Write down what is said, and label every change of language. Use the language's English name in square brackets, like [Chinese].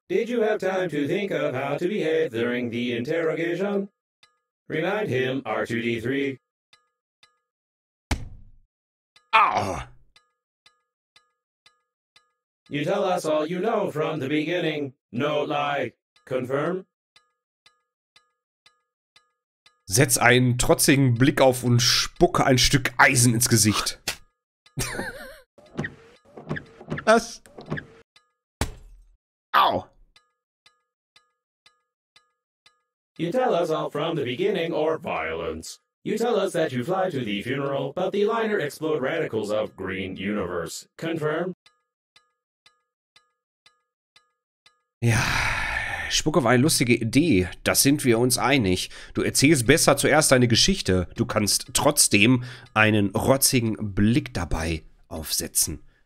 [English] Did you have time to think of how to behave during the interrogation? Remind him, R2-D3. Oh. You tell us all you know from the beginning. No lie. Confirm? [German] setz einen trotzigen Blick auf und spucke ein Stück Eisen ins Gesicht. Was? Au! [English] You tell us all from the beginning or violence. You tell us that you fly to the funeral, but the liner explode radicals of green universe. Confirm? [German] Ja, Spucke war eine lustige Idee. Das sind wir uns einig. Du erzählst besser zuerst deine Geschichte. Du kannst trotzdem einen rotzigen Blick dabei aufsetzen.